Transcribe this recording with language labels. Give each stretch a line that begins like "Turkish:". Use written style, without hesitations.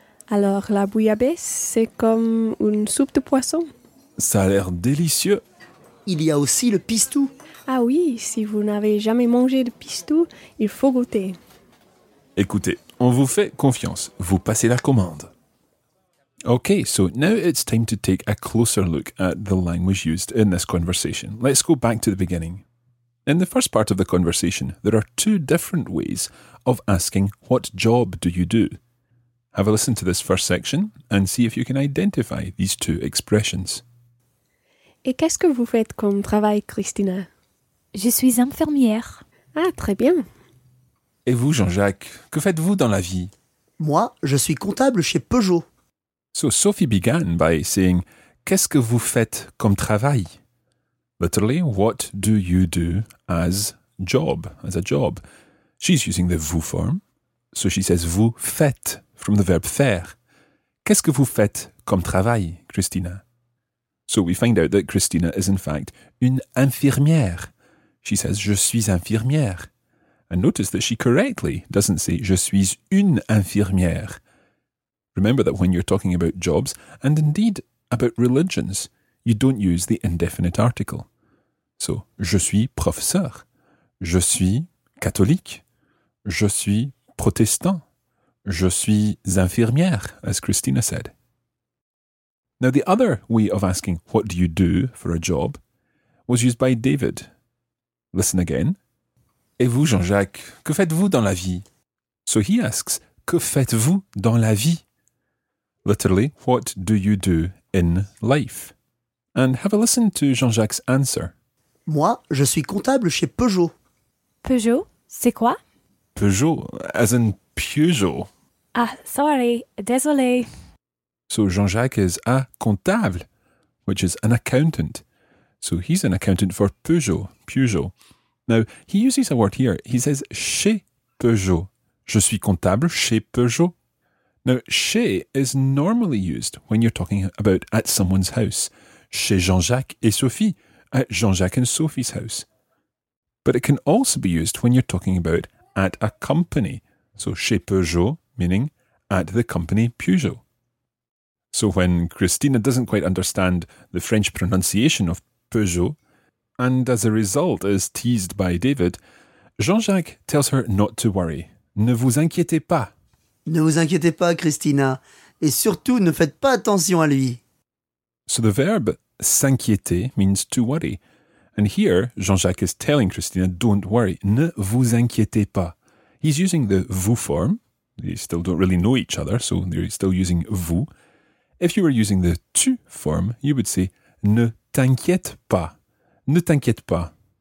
French: Alors, la bouillabaisse, c'est comme une soupe de poisson. Ça a l'air délicieux. Il y a aussi le pistou. Ah oui, si vous n'avez jamais mangé de pistou, il faut goûter. Écoutez, on vous fait confiance. Vous passez la commande.
English: Okay, so now it's time to take a closer look at the language used in this conversation. Let's go back to the beginning. In the first part of the conversation, there are two different ways of asking what job do you do? Have a listen to this first section and see if you can identify these two expressions.
French: Et qu'est-ce que vous faites comme travail, Christina ? Je suis infirmière. Ah, très bien. Et vous, Jean-Jacques, que faites-vous dans la vie ? Moi, je suis comptable chez Peugeot.
English: So Sophie began by saying,
French: qu'est-ce que vous faites comme travail ?
English: Literally, what do you do as a job? She's using the vous form, so she says
French: vous faites.
English: From the verb faire.
French: Qu'est-ce que vous faites comme travail, Christina?
English: So we find out that Christina is in fact une infirmière. She says,
French: je suis infirmière.
English: And notice that she correctly doesn't say,
French: je suis une infirmière.
English: Remember that when you're talking about jobs, and indeed about religions, you don't use the indefinite article.
French: So, je suis professeur. Je suis catholique. Je suis protestant. Je suis infirmière,
English: as Christina said. Now, the other way of asking, what do you do for a job, was used by David. Listen again.
French: Et vous, Jean-Jacques, que faites-vous dans la vie?
English: So he asks,
French: que faites-vous dans la vie?
English: Literally, what do you do in life? And have a listen to Jean-Jacques' answer.
French: Moi, je suis comptable chez Peugeot. Peugeot, c'est quoi?
English: Peugeot, as in Peugeot. Ah, sorry, désolé. So Jean-Jacques is a comptable, which is an accountant. So he's an accountant for Peugeot, Peugeot. Now, he uses a word here. He says, chez Peugeot.
French: Je suis comptable chez Peugeot.
English: Now, chez is normally used when you're talking about at someone's house.
French: Chez Jean-Jacques et Sophie,
English: at Jean-Jacques and Sophie's house. But it can also be used when you're talking about at a company. So chez Peugeot, meaning at the company Peugeot. So when Christina doesn't quite understand the French pronunciation of Peugeot, and as a result is teased by David, Jean-Jacques tells her not to worry.
French: Ne vous inquiétez pas. Ne vous inquiétez pas, Christina. Et surtout, ne faites pas attention à lui.
English: So the verb s'inquiéter means to worry. And here, Jean-Jacques is telling Christina, don't worry.
French: Ne vous inquiétez pas.
English: He's using the vous form. They still don't really know each other, so they're still using vous. If you were using the tu form, you would say
French: ne t'inquiète pas. Ne t'inquiète pas.